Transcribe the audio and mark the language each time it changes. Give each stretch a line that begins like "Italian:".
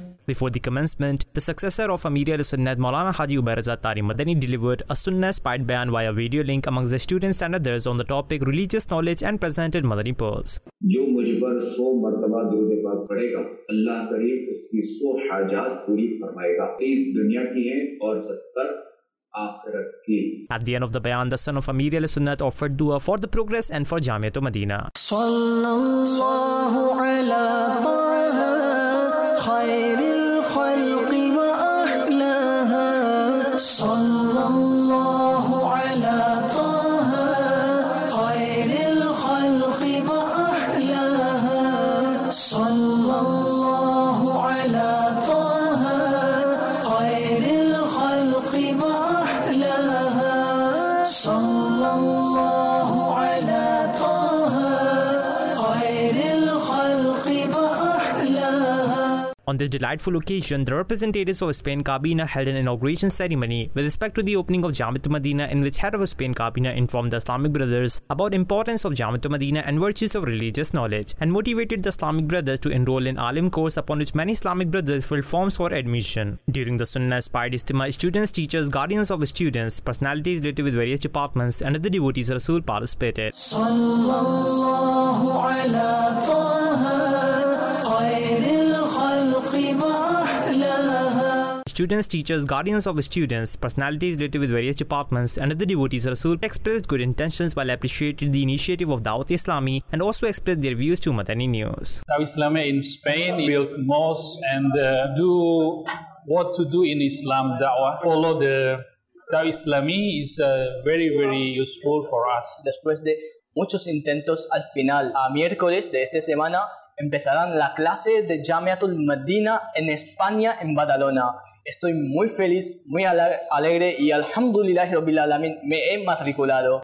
English: Before the commencement, the successor of Amir al-Sunnat, Maulana Haji Ubayrazad Tari Madani, delivered a sunnah-inspired bayan via video link amongst the students and others on the topic religious knowledge and presented Madani pearls.
Urdu: جو مجبر 100 مرتبہ درود پاک پڑھے گا اللہ کریم اس کی 100 حاجات پوری فرمائے گا, اس دنیا کی ہیں اور 70 آخرت کی.
English: At the end of the bayan, the son of Amir al-Sunnat offered dua for the progress and for Jamiat al-Madina.
Arabic: Sallallahu ala ta'ala خير الخلق وأحلاها صلى الله على طه خير الخلق وأحلاها صلى الله على طه خير الخلق وأحلاها صلى الله على طه خير الخلق وأحلاها.
English: On this delightful occasion, the representatives of Spain Cabina held an inauguration ceremony with respect to the opening of Jamaat-e-Madina, in which head of Spain Cabina informed the Islamic brothers about importance of Jamaat-e-Madina and virtues of religious knowledge, and motivated the Islamic brothers to enroll in Alim course, upon which many Islamic brothers filled forms for admission. During the sunnah-inspired istima, students, teachers, guardians of students, personalities related with various departments and other devotees of Rasul participated.
Arabic: Sallallahu ala ta'ha
English: Students, teachers, guardians of students, personalities related with various departments and other devotees of Rasul expressed good intentions while appreciated the initiative of Dawat Islami and also expressed their views to Madani News. Dawat Islami in Spain built mosque and do what to do in Islam, Dawah. Follow the Dawat Islami is very, very useful for us.
Spanish: Después de muchos intentos, al final, a miércoles de esta semana, empezarán la clase de Jamiatul Madina en España, en Badalona. Estoy muy feliz, muy alegre y
Arabic: alhamdulillah Rabbil Alamin
Spanish: me he matriculado.